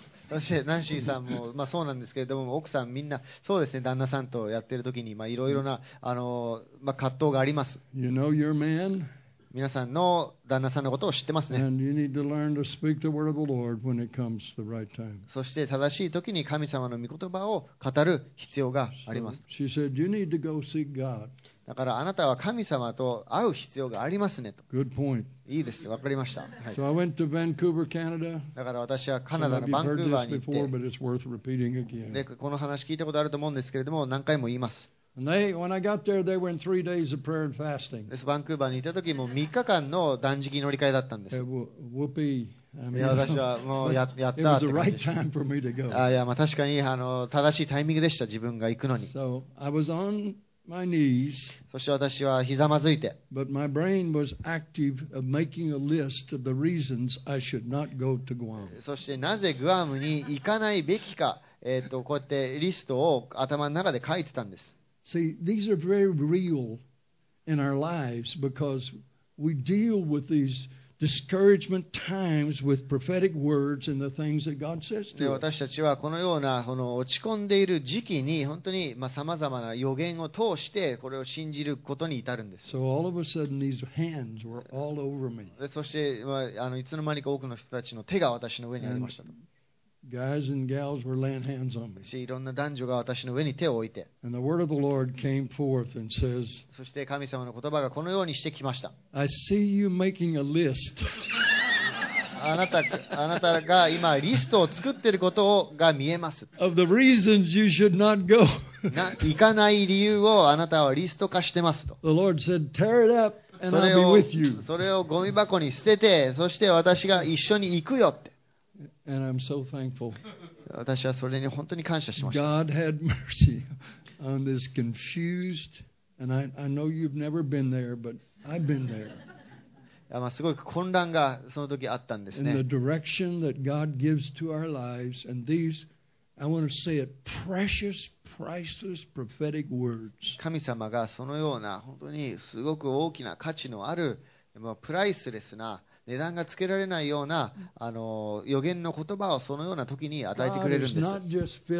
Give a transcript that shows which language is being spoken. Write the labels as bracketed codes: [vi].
[ja] Nancy さんも、まあ、そうなんですけれども、奥さんみんなそうですね。旦那さんとやってる時に、まあ、いろいろな、まあ、葛藤があります。 [en] You know your man. [ja] 皆さんの旦那さんのことを知ってますね。 [en] And you need to learn to speak the word of the Lord when it comes the right time. [ja] そして正しい時に神様の御言葉を語る必要があります。 [en] She said, you need to go seek God. [ja] だからあなたは神様と会う必要がありますねと。 [en] Good point. [ja] いいです。わかりました。 [en] So I went to Vancouver, Canada. [ja] だから私はカナダのバンクーバーに行って。 [en] I've heard this before, but it's worth repeating again. [ja] で、この話聞いたことあると思うんですけれども、何回も言います。 [en] And they, when I got there, they were in three days of prayer and fasting. [ja] バンクーバーにいた時も3日間の断食乗り換えだったんです。 [en] Whoopee! [ja] いや、私はもうやったって。 [en] It was the right time for me to go. [ja] いや、まあ確かに正しいタイミングでした、自分が行くのに。 [en] So I was on my knees. [ja] そして私はひざまずいて。 [en] But my brain was active of making a list of the reasons I should not go to Guam. [ja] そしてなぜグアムに行かないべきか、こうやってリストを頭の中で書いてたんです。 [en] See, these are very real in our lives because we deal with these discouragement times with prophetic words and the things that God says to us. [ja] 私たちはこのような落ち込んでいる時期に本当にさまざまな予言を通してこれを信じることに至るんです。 [en] So all of a sudden, these hands were all over me. [ja] そしていつの間にか多くの人たちの手が私の上にありました。 [en] Guys and gals were laying hands on me. [ja] いろんな男女が私の上に手を置いて。 [en] And the word of the Lord came forth and says. [ja] そして神様の言葉がこのようにしてきました。 [en] I see you making a list. [ja] あなたが今リストを作っていることが見えます。 [en] Of the reasons you should not go. [ja] 行かない理由をあなたはリスト化してますと。 [en] The Lord said, tear it up and I'll be with you. [ja] それをゴミ箱に捨てて、そして私が一緒に行くよって。 [en] And I'm so thankful. [ja] 私はそれに本当に感謝しました。 [en] God had mercy on this confused, and I know you've never been there, but I've been there. [ja] すごい混乱がその時あったんですね。 [en] In the direction that God gives to our lives, and these, I want to say it, precious, priceless prophetic words. [ja] 神様がそのような本当にすごく大きな価値のあるプライスレスな値段がつけられないような予言の言葉をそのような時に与えてくれるんです。